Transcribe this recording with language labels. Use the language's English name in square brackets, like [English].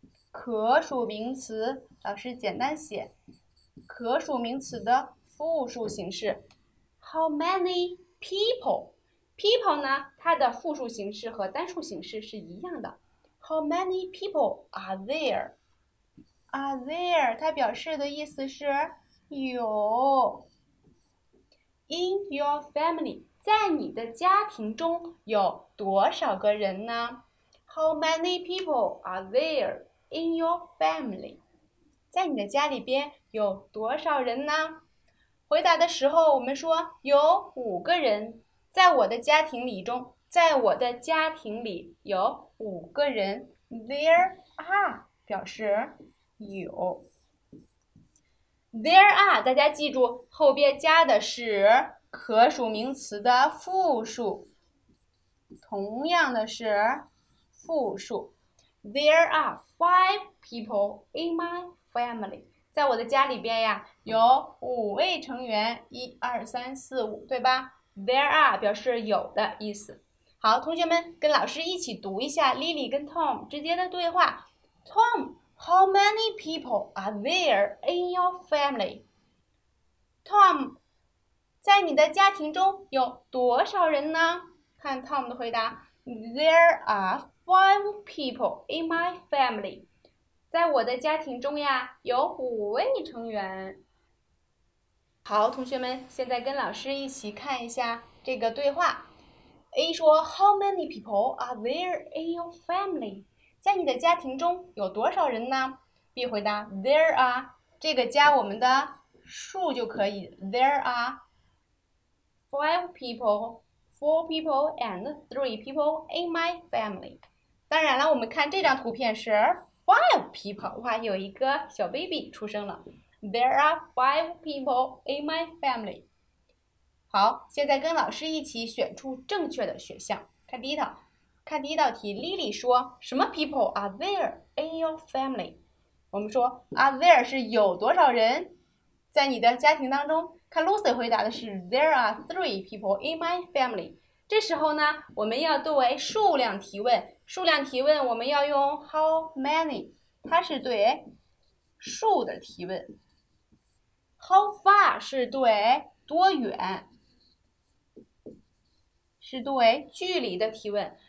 [Chinese] 可数名词，老师简单写可数名词的复数形式 [English] how many people [Chinese] 呢，它的复数形式和单数形式是一样的， [English] how many people are thereAre there， [Chinese] 它表示的意思是有。 [English] In your family， [Chinese] 在你的家庭中有多少个人呢 [English] ？How many people are there in your family？ [Chinese] 在你的家里边有多少人呢？回答的时候我们说有五个人，在我的家庭里中，在我的家庭里有五个人。 [English] There are [Chinese] 表示。有 ， [English] there are， [Chinese] 大家记住后边加的是可数名词的复数，同样的是复数。 [English] There are 5 people in my family， [Chinese] 在我的家里边呀，有五位成员，一二三四五，对吧 ？ [English] There are [Chinese] 表示有的意思。好，同学们跟老师一起读一下 Lily 跟 Tom 之间的对话 ，Tom。 [English] How many people are there in your family? [Chinese] Tom, 在你的家庭中有多少人呢？看 Tom 的回答。 [English] There are 5 people in my family. [Chinese] 在我的家庭中呀，有五位成员。好，同学们，现在跟老师一起看一下这个对话。 [English] A 说 How many people are there in your family? [Chinese] 在你的家庭中有多少人呢 ？B 回答 ： [English] There are， [Chinese] 这个加我们的数就可以。 [English] There are 5 people, 4 people, and 3 people in my family。 [Chinese] 当然了，我们看这张图片是 [English] 5 people， [Chinese] 哇，有一个小 baby 出生了。 [English] There are 5 people in my family。 [Chinese] 好，现在跟老师一起选出正确的选项。看第一道题 [English] ，Lily [Chinese] 说什么 [English] ？People are there in your family？ [Chinese] 我们说 are there 是有多少人在你的家庭当中？ [English] 看 Lucy [Chinese] 回答的是 [English] There are 3 people in my family。 [Chinese] 这时候呢，我们要作为数量提问，数量提问我们要用 how many， 它是对数的提问 ，how far 是对多远，是对距离的提问。